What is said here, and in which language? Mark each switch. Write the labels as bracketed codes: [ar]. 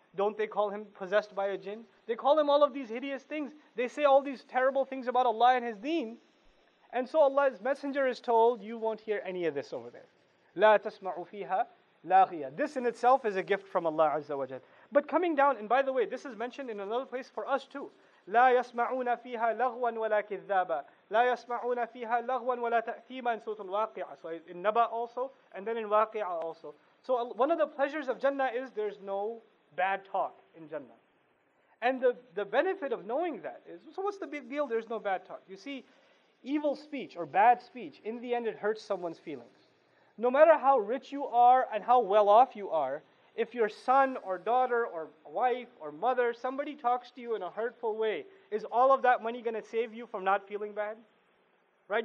[en] Don't they call him possessed by a jinn? They call him all of these hideous things. They say all these terrible things about Allah and His deen. And so Allah's messenger is told, you won't hear any of this over there. [ar] لَا تَسْمَعُ فِيهَا لَاغِيَةً. [en] This in itself is a gift from Allah Azza wa Jalla. But coming down, and by the way, this is mentioned in another place for us too. [ar] لا يسمعون فيها لغوا ولا كذابا. لا يسمعون فيها لغوا ولا تأثيما in Surah Al-Waqi'ah. [en] So in Naba also, and then in Waqi'ah also. So one of the pleasures of Jannah is there's no bad talk in Jannah. And the benefit of knowing that is, so what's the big deal? There's no bad talk. You see, evil speech or bad speech, in the end it hurts someone's feelings. No matter how rich you are and how well off you are, if your son or daughter or wife or mother, somebody talks to you in a hurtful way, is all of that money going to save you from not feeling bad? Right?